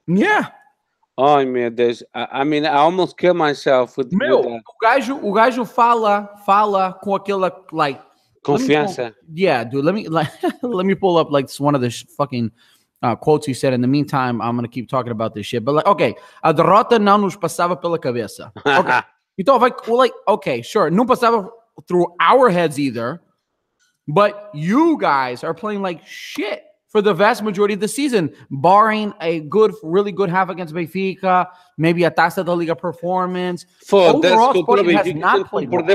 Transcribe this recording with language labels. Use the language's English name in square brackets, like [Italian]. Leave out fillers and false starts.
[English] Yeah. Oh, man, there's. I mean, I almost killed myself with. [Portuguese] Meu, [English] with [Portuguese] that. O gajo fala com aquela like. Confiança. [English] Let me pull up like one of the fucking quotes he said. In the meantime, I'm gonna keep talking about this shit. But like, okay, [Portuguese] a derrota não nos passava pela cabeça. [English] Okay. Então, sure, [Portuguese] não passava [English] through our heads either, but you guys are playing like shit for the vast majority of the season, barring a good, really good half against Benfica, maybe a Taça da Liga performance. For overall, Sporting has not played well.